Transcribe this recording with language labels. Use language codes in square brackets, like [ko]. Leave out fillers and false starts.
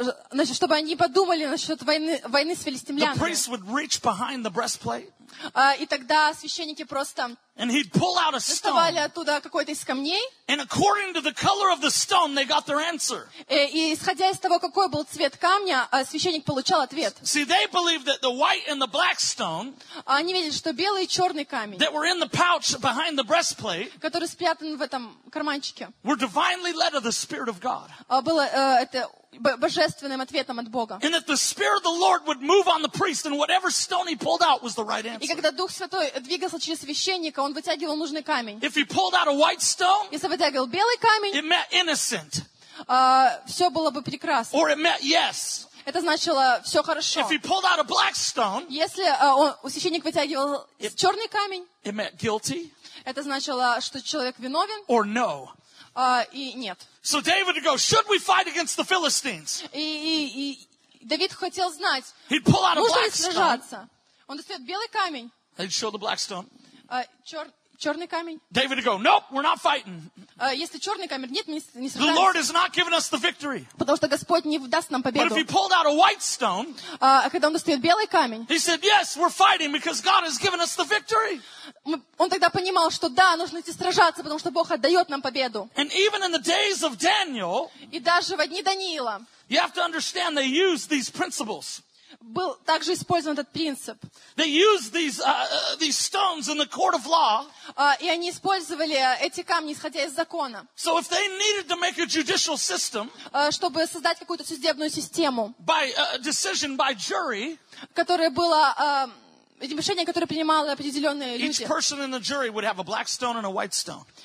[ru] Значит, чтобы они подумали насчет войны с филистимлянами. [en] The priest would reach behind the breastplate. [ru] И тогда священники просто доставали оттуда какой-то из камней. [en] And according to the color of the stone, they got their answer. [ru] И исходя из того, какой был цвет камня, священник получал ответ. [en] See, they believed that the white and the black stone, [ru] они видели, что белый и черный камень, [en] that were in the pouch behind the breastplate, [ru] который спрятан в этом карманчике, [en] were divinely led of the Spirit of God. [ru] Было это божественным ответом от Бога. [en] And that the Spirit of the Lord would move on the priest, and whatever stone he pulled out was the right answer. [ru] И когда Дух Святой двигался через священника, он вытягивал нужный камень. [en] If he pulled out a white stone, [ru] если вытягивал белый камень, [en] it meant innocent. [ru] Все было бы прекрасно. [en] Or it meant yes. [ru] Это значило все хорошо. [en] If he pulled out a black stone, [ru] если священник вытягивал черный камень, [en] it meant guilty. [ru] Это значило, что человек виновен. [en] Or no. [ru] И нет. [en] So David would go, should we fight against the Philistines? [ru] И Давид хотел знать, [en] he'd pull out [ru] нужно [en] a black [ru] ли сражаться. Он достает белый камень. [en] He'd show the black stone. [ru] Черный камень. [en] David would go, nope, we're not fighting. [ru] Если черный камень, нет, мы не сражаемся. [en] The Lord has not given us the victory. [ru] Потому что Господь не даст нам победу. [en] But if he pulled out a white stone, [ru] когда он достает белый камень, [en] he said, yes, we're fighting because God has given us the victory. [ru] Он тогда понимал, что да, нужно идти сражаться, потому что Бог отдает нам победу. [en] And even in the days of Daniel, [ru] и даже в дни Даниила, [en] you have to understand they use these principles. [ru] Был также использован этот принцип. [en] They used these stones in the court of law. [ru] И они использовали эти камни, исходя из закона. [en] So if they needed to make a judicial system, [ru] чтобы создать какую-то судебную систему, [en] by decision by jury, [ru] которая была решение, которое принимали определенные люди. [en] Each person in the jury would have a black stone and a white stone.